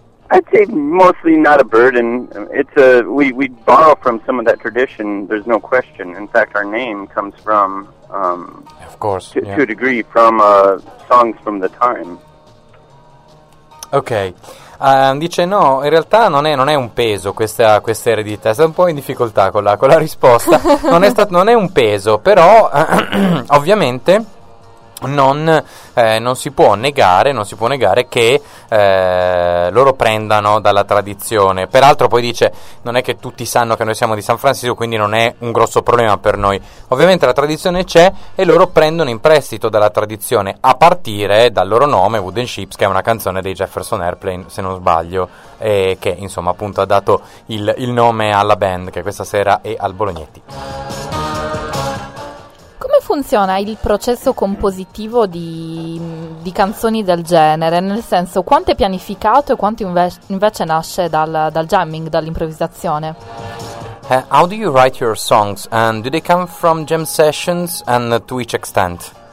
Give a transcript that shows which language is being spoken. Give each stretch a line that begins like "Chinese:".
English: I'd say mostly not a burden. It's a, we borrow from some of that tradition, there's no question. In fact, our name comes from, of course, to a degree, from songs from the time.
Italian: Ok, dice no, in realtà non è un peso questa eredità, sta un po' in difficoltà con la risposta, non è un peso, però ovviamente non si può negare che loro prendano dalla tradizione. Peraltro poi dice, non è che tutti sanno che noi siamo di San Francisco, quindi non è un grosso problema per noi. Ovviamente la tradizione c'è e loro prendono in prestito dalla tradizione, a partire dal loro nome, Wooden Ships, che è una canzone dei Jefferson Airplane, se non sbaglio, e che insomma appunto ha dato il nome alla band, che questa sera è al Bolognetti. Funziona il processo compositivo di canzoni del genere, nel senso, quanto è pianificato e quanto invece nasce dal jamming, dall'improvvisazione?
English: How do you write your songs, and do they come from jam sessions, and to which extent?